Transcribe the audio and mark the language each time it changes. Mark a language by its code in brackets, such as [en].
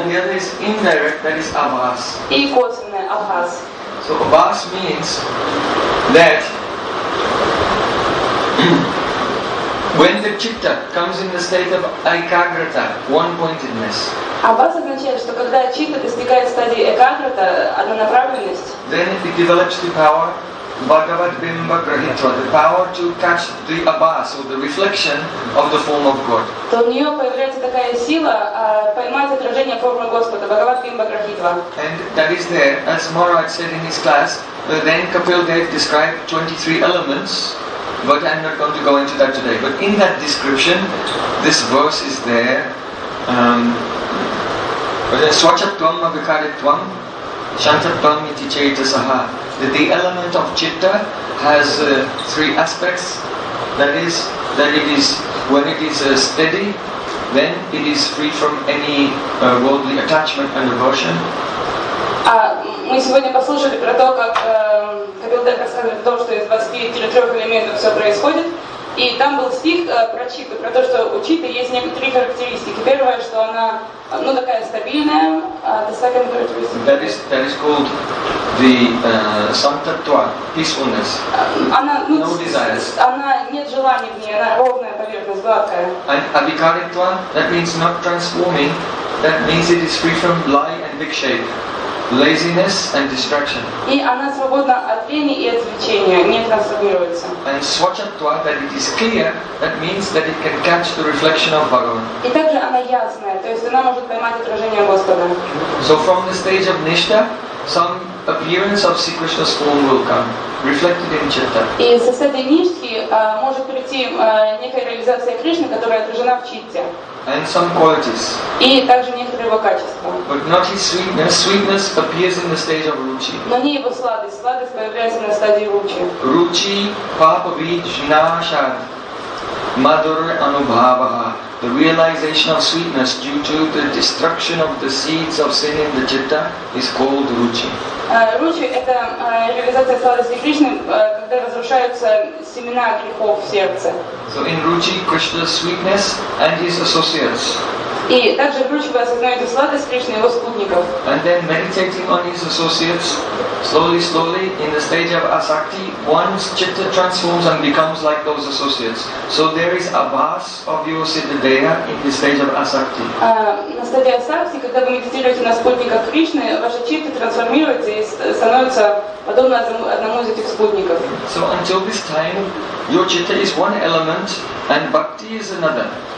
[en] And the other is indirect, that is abhas. [ru] И косвенное, абхас. [en] So abhas means that when the chitta comes in the state of ekagrata, one-pointedness. [ru] Abhas означает, что когда чита достигает стадии экаграта, однонаправленность. [en] Then it develops the power. [sa] Bhagavad Bimba Grahitva, [en] the power to catch the abhas, or the reflection of the form of God. [ru] То в нее появляется такая сила поймать отражение формы Господа, Бхагават Бимба Грахитва. [en] And that is there, as Maharaj said in his class, but then Kapil Dev described 23 elements, but I'm not going to go into that today. But in that description, this verse is there. [sa] Swachattvam Abhikaritvam Shantattvam Iti Chaitasaha. [en] That the element of chitta has three aspects. That is, that it is, when it is steady, then it is free from any worldly attachment and aversion. [ru] Мы сегодня послушали про то, как Кабил Дэк рассказывает о том, что из 23 элементов все происходит. И там был стих про читту, про то, что у читты есть некоторые характеристики. Первое, что она, ну, такая стабильная. [en] The second characteristic. That is called the samtattva, peacefulness. [ru] Она, ну, [en] no desires. [ru] Она, нет желаний в ней, она ровная поверхность, гладкая. [en] And abhikaritva, that means not transforming, that means it is free from lie and vikshepa. Laziness and distraction. [ru] И она свободна от лени и отвлечения, не трансформируется. [en] And swachattva, that it is clear, that means that it can catch the reflection of Bhagavan. [ru] И также она ясная, то есть она может поймать отражение Господа. [en] So from the stage of nishtha, some appearance of Sri Krishna's form will come, reflected in chitta. [ru] И со стадии ништхи может прийти некая реализация Кришны, которая отражена в читте. [en] And some qualities. [ru] И также некоторые его качества. [en] But not his sweetness. Sweetness appears in the stage of ruchi. [ru] Но не его сладость. Сладость появляется на стадии ruchi. [sa] Ruchi papa vijnashad madhur anubhavaha. [en] The realization of sweetness due to the destruction of the seeds of sin in the chitta is called ruchi. [ru] Ruchi это реализация сладости Кришны, когда разрушаются семена грехов в сердце. [en] So in ruchi, Krishna's sweetness and his associates. [ru] И также ключ вы осознаете сладость Кришны и его спутников. [en] And then meditating on his associates, slowly, slowly, in the stage of asakti, one's chitta transforms and becomes like those associates. So there is a bas of your siddhadeha in the stage of asakti. [ru] На стадии асакти, когда вы медитируете на спутниках Кришны, ваша читта трансформируется и становится подобна одному из этих спутников. [en] So until this time, your chitta is one element and bhakti is another.